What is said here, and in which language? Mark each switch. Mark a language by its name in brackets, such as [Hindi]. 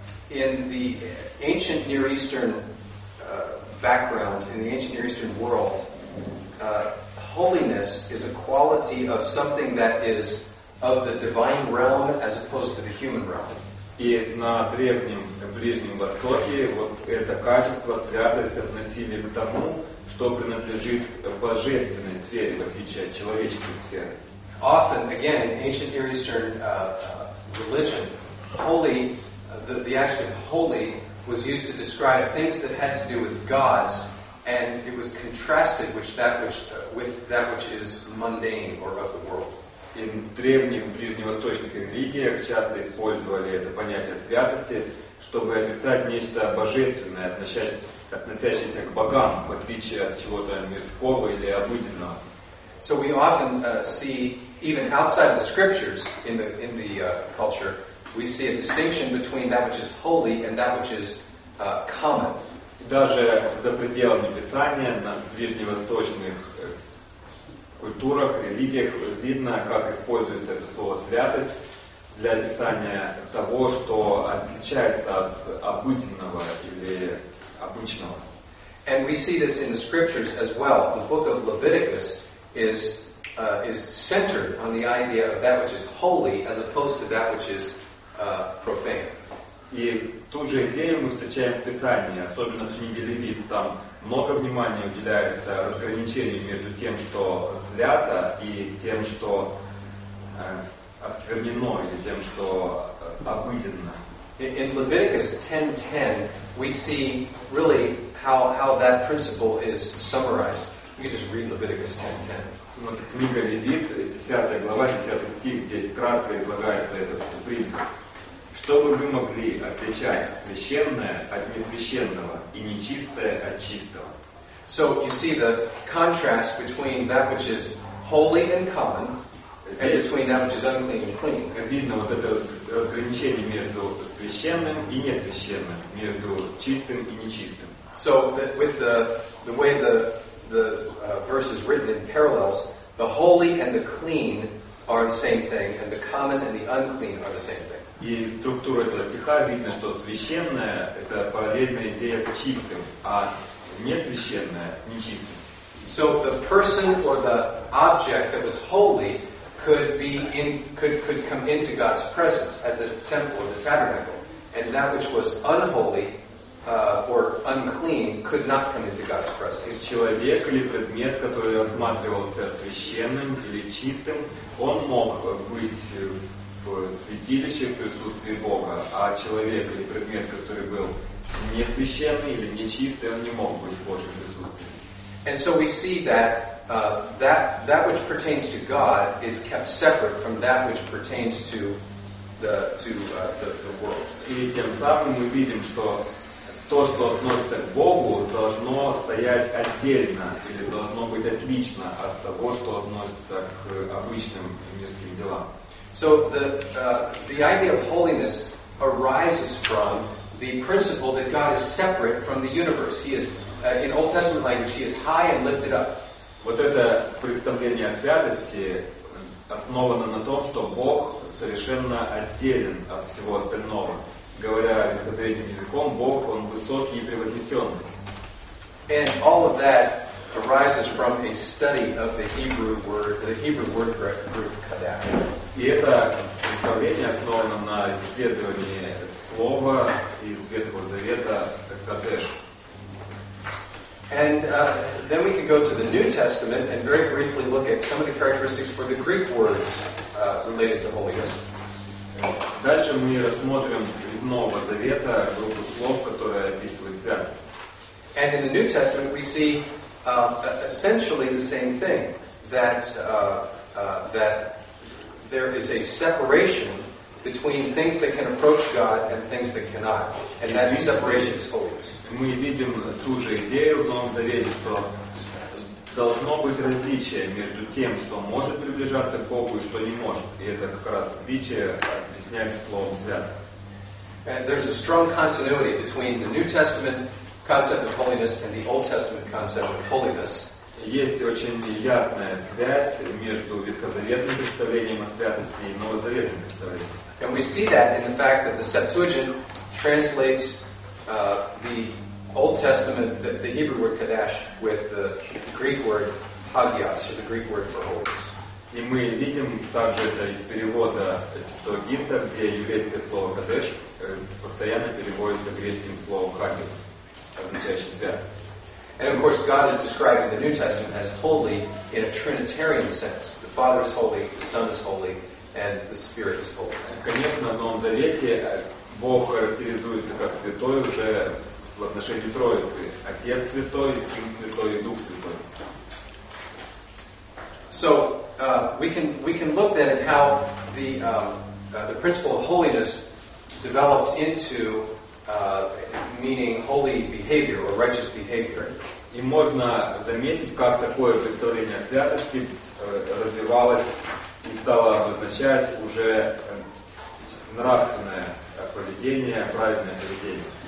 [English] In the ancient Near Eastern background, in the ancient Near Eastern world, holiness is a quality of something that is of the divine realm as opposed to the human realm. [Russian] И на древнем Ближнем Востоке вот это качество святость относили к тому, что принадлежит божественной сфере в отличие от человеческой сферы. [English] Often, again, in ancient Near Eastern religion, holy, the action holy was used to describe things that had to do with gods, and it was contrasted with that which is mundane or of the world. [Russian] И в древних ближневосточных религиях часто использовали это понятие святости, чтобы описать нечто божественное, относящееся к богам, в отличие от чего-то мирского или обыденного. [English] So we often see, even outside the scriptures, in the culture, we see a distinction between that which is holy and that which is common. [Russian] Даже за пределами Писания, на ближневосточных культурах, религиях видно, как используется это слово «святость» для описания того, что отличается от обыденного или обычного. [English] And we see this in the scriptures as well. The book of Leviticus is centered on the idea of that which is holy as opposed to that which is profane. [Russian] И ту же идею мы встречаем в Писании, особенно в книге Левит, там много внимания уделяется разграничению между тем, что свято, и тем, что осквернено, или тем, что обыденно. [English] In Leviticus 10:10, we see really how that principle is summarized. You can just read Leviticus 10:10. [Russian] Вот книга Левит, 10 глава, 10 стих, здесь кратко излагается этот принцип. Чтобы вы могли отличать священное от несвященного и нечистое от чистого. [English] So you see the contrast between that which is holy and common and between that which is unclean and clean. [Russian] Видно вот это разграничение между священным и несвященным, между чистым и нечистым. [English] So with the way the verse is written in parallels, the holy and the clean are the same thing, and the common and the unclean are the same thing. [Russian] И структура этого стиха видно, что священное — это параллельная идея с чистым, а несвященное — с нечистым. [English] So the person or the object that was holy could come into God's presence at the temple or the tabernacle, and that which was unholy or unclean could not come into God's presence. [Russian] Человек или предмет, который рассматривался священным или чистым, он мог быть святилище в присутствии Бога, а человек или предмет, который был не священный или нечистый, он не мог быть в Божьем присутствии. [English] And so we see that that which pertains to God is kept separate from that which pertains to the world. [Russian] И тем самым мы видим, что то, что относится к Богу, должно стоять отдельно или должно быть отлично от того, что относится к обычным мирским делам. [English] So the idea of holiness arises from the principle that God is separate from the universe. He is, in Old Testament language, He is high and lifted up. [Russian] Вот это представление о святости основано на том, что Бог совершенно отделен от всего остального. Говоря ветхозаветным языком, Бог, Он высокий и превознесенный. [English] And all of that arises from a study of the Hebrew word group kadash. [Russian] И это представление основано на исследовании слова из Ветхого Завета кадеш. [English] And then we can go to the New Testament and very briefly look at some of the characteristics for the Greek words related to holiness. [Russian] Дальше мы рассмотрим из Нового Завета группу слов, которые описывают святость. [English] And in the New Testament we see essentially the same thing, that that there is a separation between things that can approach God and things that cannot, and that separation is holiness. [Russian] Мы видим ту же идею в Новом Завете, что должно быть различие между тем, что может приближаться к Богу, и что не может. И это как раз отличие объясняется словом святость. [English] There's a strong continuity between the New Testament concept of holiness and the Old Testament concept of holiness. [Russian] Есть очень ясная связь между ветхозаветным представлением о святости и новозаветным представлением. [English] And we see that in the fact that the Septuagint translates the Old Testament, the Hebrew word kadash, with the Greek word hagios, or the Greek word for holiness. [Russian] И мы видим также это из перевода Септуагинта, где еврейское слово кадеш постоянно переводится греческим словом hagios, означающим святость. [English] And of course, God is described in the New Testament as holy in a Trinitarian sense. The Father is holy, the Son is holy, and the Spirit is holy. [Russian] Конечно, в Новом Завете Бог характеризуется как святой уже в отношении Троицы. Отец святой, Сын святой, Дух святой. [English] So, we can look then at how the principle of holiness developed into meaning holy behavior or righteous behavior. [Russian] И можно заметить, как такое представление о святости развивалось и стало обозначать уже нравственное поведение, правильное поведение.